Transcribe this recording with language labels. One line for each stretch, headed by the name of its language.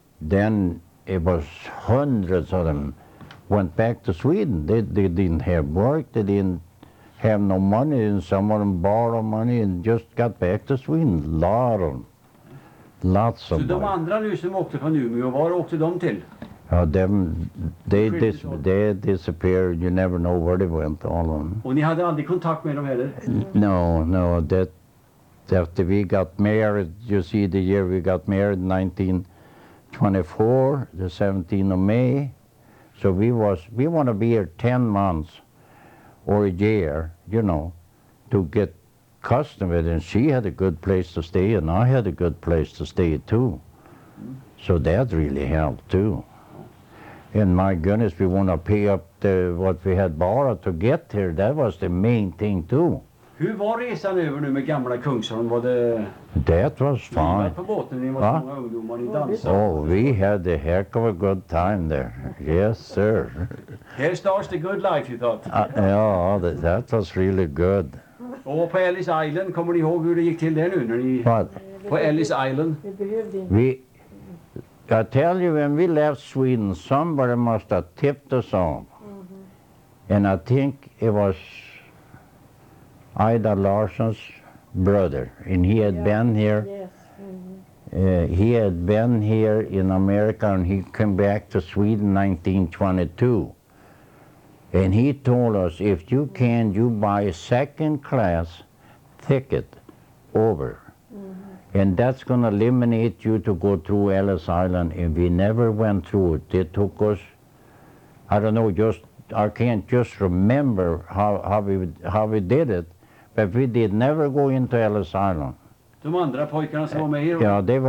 English: Then it was hundreds of them went back to Sweden. They didn't have work, they didn't have no money, and some of them borrowed money and just got back to Sweden. Lots of money.
Swedish: Så de andra nu som åkte från Umeå, var åkte de till?
English: Ja, they disappeared. You never know where they went, all of them.
Swedish: Och ni hade aldrig kontakt med dem heller?
English: No. After we got married, you see the year we got married, 1924, the 17th of May. So we want to be here 10 months or a year, you know, to get custom with it. And she had a good place to stay and I had a good place to stay too. So that really helped too. And my goodness, we want to pay up what we had borrowed to get here. That was the main thing too.
Swedish: Hur var resan över nu med gamla Kungsholm? Var det...
English: That was fine.
Swedish: Ni var på båten, ni var många ungdomar, ni dansade.
English: Oh, we had a heck of a good time there. Yes, sir. Here starts the good life, you thought. That was really good.
Swedish: Och på Ellis Island, kommer ni ihåg hur det gick till där nu? När ni...
English: What?
Swedish: På Ellis Island.
English: I tell you, when we left Sweden, somebody must have tipped us off. Mm-hmm. And I think it was Ida Larsson's brother. And he had been here. Yes. Mm-hmm. He had been here in America and he came back to Sweden 1922. And he told us, if you can, you buy a second class ticket over. And that's going to eliminate you to go through Ellis Island. And we never went through it. They took us, I don't know, I can't just remember how we did it. But we did never go into Ellis Island.
Swedish: De andra pojkarna som var med här?